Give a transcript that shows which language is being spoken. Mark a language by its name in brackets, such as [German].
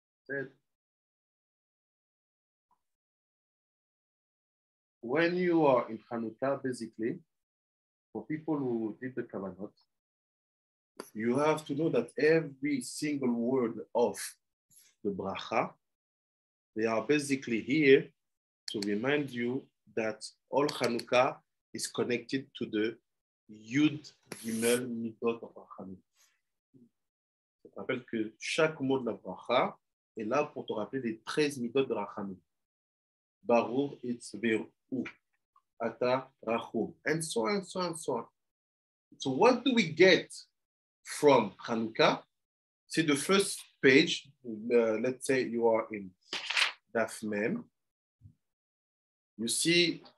[English] Said, when you are in Hanukkah, basically, for people who did the Kavanot, you have to know that every single word of the bracha, they are basically here to remind you that all Hanukkah is connected to the Yud Gimel Midot of Hanukkah. [French] Je te rappelle que chaque mot de la bracha est là pour te rappeler les 13 Midot de Hanukkah. [English] Baruch it's Beru, Ata Rachum, and so on, so on, and so on. So what do we get from Hanukkah? See the first page, let's say you are in Daf Mem. You see